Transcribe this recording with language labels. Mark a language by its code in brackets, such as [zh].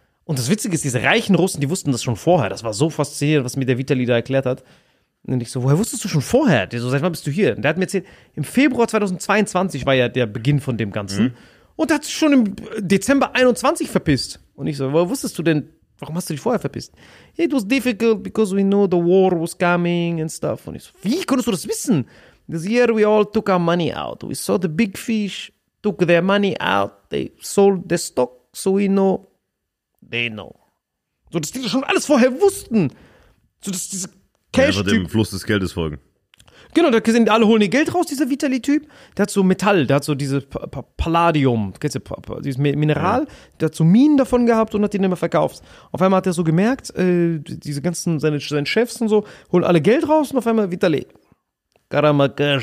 [de] Und das Witzige ist, diese reichen Russen, die wussten das schon vorher. Das war so faszinierend, was mir der Vitali da erklärt hat. Und ich so, woher wusstest du schon vorher? Der so, seit wann bist du hier? Und der hat mir erzählt, im Februar 2022 war ja der Beginn von dem Ganzen. Und hat sich schon im Dezember 21 verpisst. Und ich so, woher wusstest du denn, warum hast du dich vorher verpisst? [en] It was difficult because we know the war was coming and stuff. [de] Und ich so, wie konntest du das wissen? [en] This year we all took our money out. We saw the big fish took their money out. They sold the stock, so we know. They know. [de] So, dass die schon alles vorher wussten. So, dass diese Cash-Typ... Einfach dem Fluss des Geldes folgen. Genau, da sind alle holen ihr Geld raus, dieser Vitali-Typ. Der hat so Metall, der hat so dieses Palladium, kennst du, dieses Mineral. Ja. Der hat so Minen davon gehabt und hat den immer verkauft. Auf einmal hat er so gemerkt, diese ganzen, seine Chefs und so, holen alle Geld raus und auf einmal Vitali. Karamagaja.